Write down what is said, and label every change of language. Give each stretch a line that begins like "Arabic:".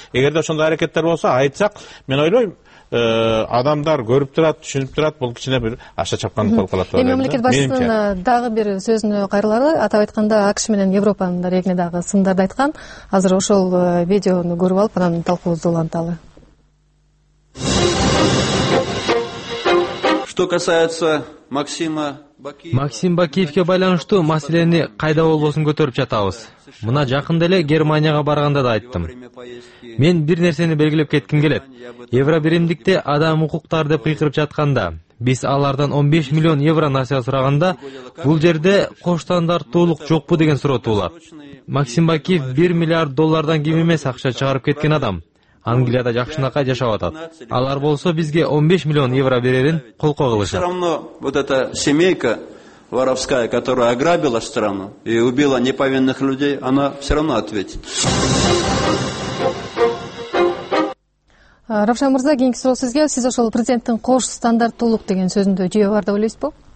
Kyrgyz: Эгерде ошондой аракеттер болсо айтсак, мен ойлойм адамдар көрүп турат, түшүнүп турат, бул кичине бир аша чапкандык болуп калат деп ойлойм. Эми мамлекет башчысынын дагы бир сөзүнө кайрылары, атап айтканда АКШ менен Европанын эгне дагы сындарды айткан. Азыр ошол видеону көрүп алып, анан талкуубузду уланталы.
Russian: Что касается Максима Бакиева.
Kyrgyz: Максим Бакиевге байланыштуу маселени кайда болбосун көтөрүп жатабыз. Мына жакында эле Германияга барганда да айттым. Мен бир нерсени белгилеп кетким келет. Евробиримдикте адам укуктары деп кыйкырып жатканда, биз алардан 15 миллион евро насыя сураганда, бул жерде кош стандарттуулук жокпу деген суроо туулат. Максим Бакиев 1 миллиард доллардан ким эмес акча чыгарып кеткен адам. Англияда жакшынакай жашап атат. Алар болсо бизге 15 миллион евро берерин кол койгулушат.
Russian: Все равно вот эта семейка воровская, которая ограбила страну и убила неповинных людей, она все равно ответит.
Kyrgyz: Равшан мырза, кийинки суроо сизге. Сиз ошол президенттин кош стандарттуулук деген сөзүндө жөө бар деп ойлойсузбу?